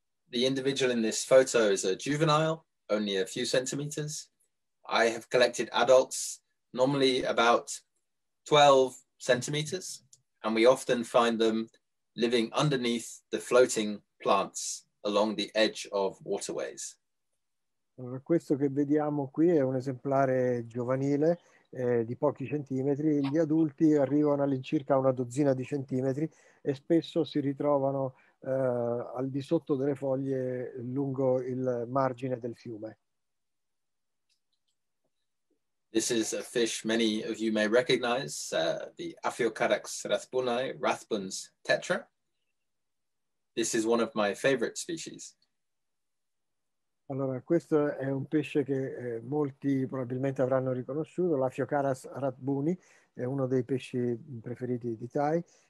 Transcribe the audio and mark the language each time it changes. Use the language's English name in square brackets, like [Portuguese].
[English] The individual in this photo is a juvenile, only a few centimeters. I have collected adults, normally about 12 centimeters, and we often find them living underneath the floating plants along the edge of waterways. [Italian] Questo che vediamo qui è un esemplare giovanile di pochi centimetri. Gli adulti arrivano all'incirca a una dozzina di centimetri e spesso si ritrovano al di sotto delle foglie lungo il margine del fiume. [English] This is a fish many of you may recognize, the Aphiocarax rathbunai, Rathbun's tetra. This is one of my favorite species. [Italian] Allora, questo è un pesce che molti probabilmente avranno riconosciuto, l'Aphiocaras rathbuni, è uno dei pesci preferiti di Tai.